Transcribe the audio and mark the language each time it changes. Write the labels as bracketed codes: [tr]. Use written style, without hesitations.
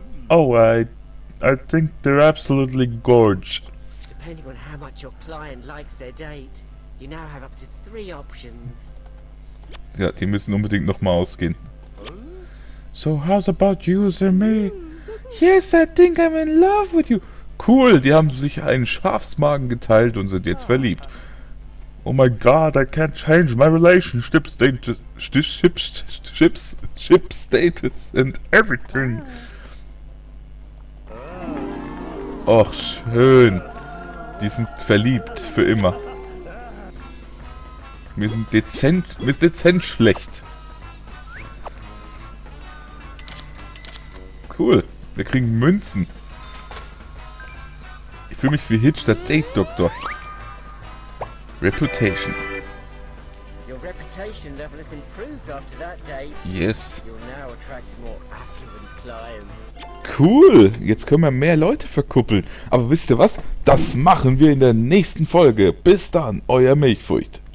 [en] Oh, I think they're absolutely gorgeous. Depending on how much your client likes their date, you now have up to 3 options. [de] Ja, die müssen unbedingt nochmal ausgehen. [en] So, how's about you, sir me? Yes, I think I'm in love with you. [de] Cool, die haben sich einen Schafsmagen geteilt und sind jetzt verliebt. [en] Oh my god, I can't change my relationship status. Ship status and everything. [de] Och, schön. Die sind verliebt für immer. Wir sind dezent schlecht. Cool, wir kriegen Münzen. Ich fühle mich wie Hitch der Date Doktor. [en] Reputation. Your reputation level has improved after that date. Yes. You'll now attract more affluent clients. [de] Cool, jetzt können wir mehr Leute verkuppeln. Aber wisst ihr was? Das machen wir in der nächsten Folge. Bis dann, euer Milchfurcht.